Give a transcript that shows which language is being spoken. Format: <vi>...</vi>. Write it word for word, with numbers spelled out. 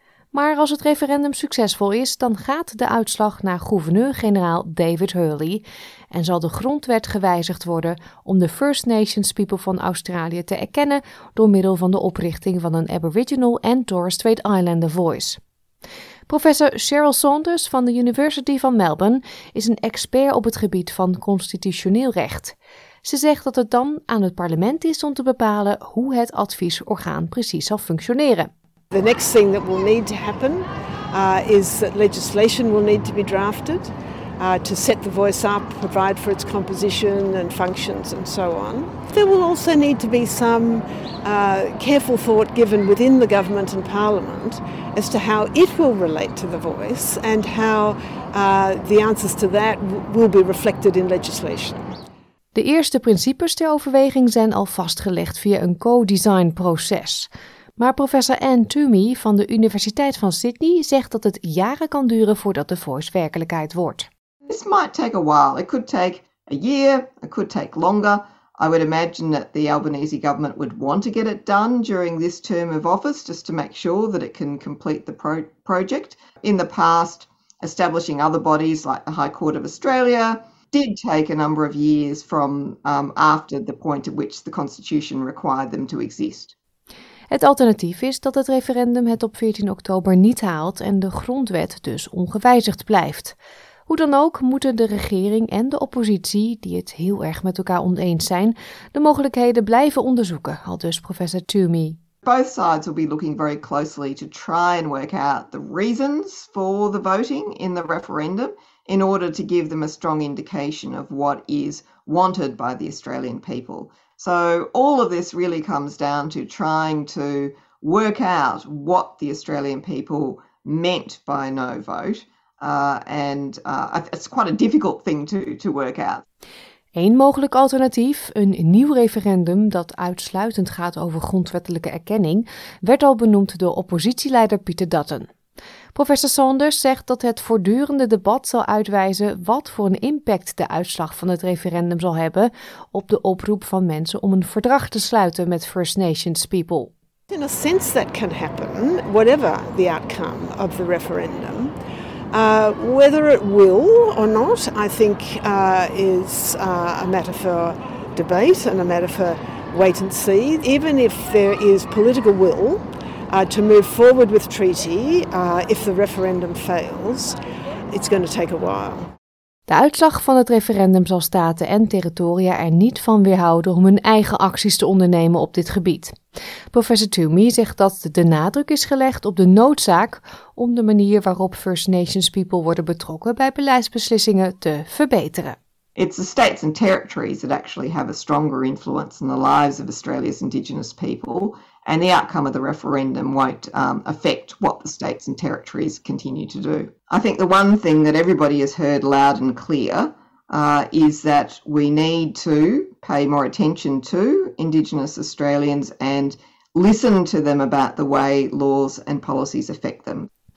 <nl>Maar als het referendum succesvol is, dan gaat de uitslag naar gouverneur-generaal David Hurley en zal de grondwet gewijzigd worden om de First Nations people van Australië te erkennen door middel van de oprichting van een Aboriginal en Torres Strait Islander Voice. Professor Cheryl Saunders van de University van Melbourne is een expert op het gebied van constitutioneel recht. Ze zegt dat het dan aan het parlement is om te bepalen hoe het adviesorgaan precies zal functioneren.</nl> <en>The next thing that will need to happen uh, is that legislation will need to be drafted uh, to set the voice up, provide for its composition and functions and so on. There will also need to be some uh, careful thought given within the government and parliament as to how it will relate to the voice and how uh, the answers to that w- will be reflected in legislation.</en> <nl>De eerste principes ter overweging zijn al vastgelegd via een co-design proces. Maar professor Anne Twomey van de Universiteit van Sydney zegt dat het jaren kan duren voordat de voice werkelijkheid wordt.</nl> <en>This might take a while. It could take a year. It could take longer. I would imagine that the Albanese government would want to get it done during this term of office just to make sure that it can complete the pro- project. In the past, establishing other bodies like the High Court of Australia did take a number of years from um, after the point at which the Constitution required them to exist.</en> <nl>Het alternatief is dat het referendum het op veertien oktober niet haalt en de grondwet dus ongewijzigd blijft. Hoe dan ook moeten de regering en de oppositie, die het heel erg met elkaar oneens zijn, de mogelijkheden blijven onderzoeken, aldus professor Twomey.</nl> <en>Both sides will be looking very closely to try and work out the reasons for the voting in the referendum in order to give them a strong indication of what is wanted by the Australian people. So all of this really comes down to trying to work out what the Australian people meant by no vote. Uh, and uh, it's quite a difficult thing to, to work out.</en> <nl>Eén mogelijk alternatief, een nieuw referendum dat uitsluitend gaat over grondwettelijke erkenning, werd al benoemd door oppositieleider Peter Dutton. Professor Saunders zegt dat het voortdurende debat zal uitwijzen wat voor een impact de uitslag van het referendum zal hebben op de oproep van mensen om een verdrag te sluiten met First Nations people.</nl> <en>In a sense that can happen, whatever the outcome of the referendum. Uh, whether it will or not, I think uh, is uh, a matter for debate and a matter for wait and see. Even if there is political will uh, to move forward with treaty uh, if the referendum fails, it's going to take a while.</en> <nl>De uitslag van het referendum zal staten en territoria er niet van weerhouden om hun eigen acties te ondernemen op dit gebied. Professor Twomey zegt dat de nadruk is gelegd op de noodzaak om de manier waarop First Nations people worden betrokken bij beleidsbeslissingen te verbeteren.</nl> <en>It's the states and territories that actually have a stronger influence on the lives of Australia's Indigenous people, and the outcome of the referendum won't um, affect what the states and territories continue to do. I think the one thing that everybody has heard loud and clear uh, is that we need to pay more attention to Indigenous Australians and listen to them about the way laws and policies affect them.</en>